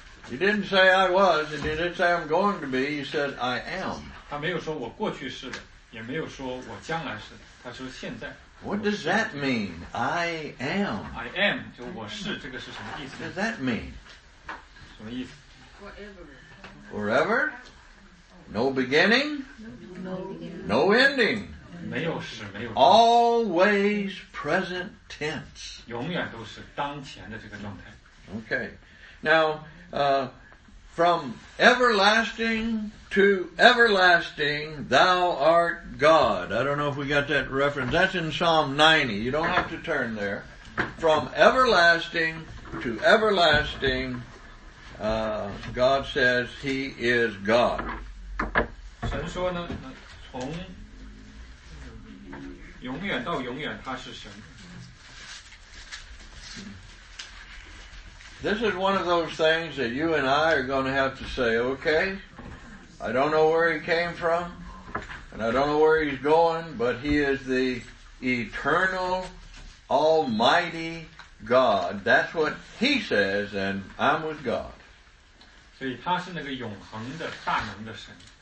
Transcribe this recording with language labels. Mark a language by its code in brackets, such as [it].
[en] He didn't say I was, and he didn't say I'm going to be, he said I am. [zh] 他没有说我过去是的。也没有说我将来是,他说现在, [en] what does that mean? I am. I am, [zh] 就我是,这个是什么意思? [en] What does that mean? [zh] 什么意思? [en] Forever. Forever? No beginning? No ending? [zh] 没有始,没有终. [en] Always present tense. [zh] 永远都是当前的这个状态. [en] Okay. Now, from everlasting to everlasting, thou art God. I don't know if we got that reference. That's in Psalm 90. You don't have to turn there. From everlasting to everlasting, God says he is God. [zh] 神说呢，从永远到永远，他是神。 [en] This is one of those things that you and I are going to have to say, okay, I don't know where he came from, and I don't know where he's going, but he is the eternal, almighty God. That's what he says, and I'm with God. [zh] 所以他是那个永恒的大能的神。